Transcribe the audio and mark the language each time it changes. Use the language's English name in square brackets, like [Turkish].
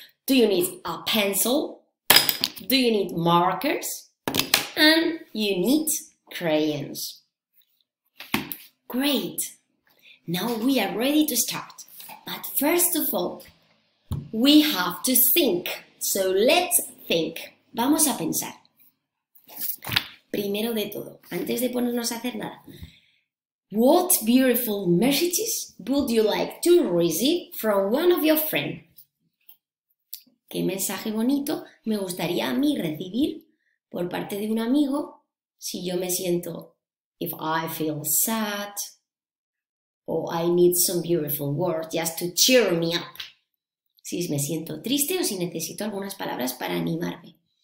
[English] Do you need a pencil? Do you need markers? And you need crayons. Great. Now we are ready to start. But first of all, we have to think. So let's think. [Spanish] Vamos a pensar. Primero de todo, antes de ponernos a hacer nada. [English] What beautiful messages would you like to receive from one of your friends? [Spanish] ¿Qué mensaje bonito me gustaría a mí recibir por parte de un amigo si yo me siento, [English] if I feel sad, or I need some beautiful words just to cheer me up? [Spanish] Si me siento triste o si necesito algunas palabras para animarme.